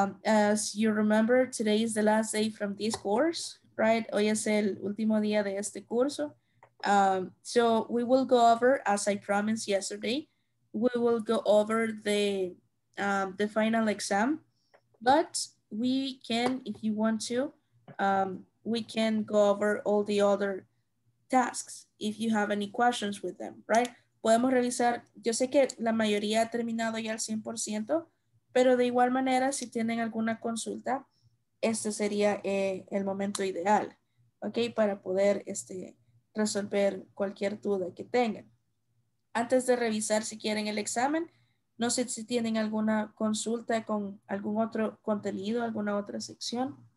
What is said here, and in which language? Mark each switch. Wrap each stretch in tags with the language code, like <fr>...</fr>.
<en>As you remember, today is the last day from this course, right?</en> <es>Hoy es el último día de este curso.</es> <en>So we will go over, as I promised yesterday, we will go over the final exam. But we can, if you want to, we can go over all the other tasks if you have any questions with them, right?</en> <es>Podemos revisar, yo sé que la mayoría ha terminado ya al 100%, pero de igual manera, si tienen alguna consulta, este sería el momento ideal, ¿ok? Para poder resolver cualquier duda que tengan. Antes de revisar si quieren el examen, no sé si tienen alguna consulta con algún otro contenido, alguna otra sección.</es>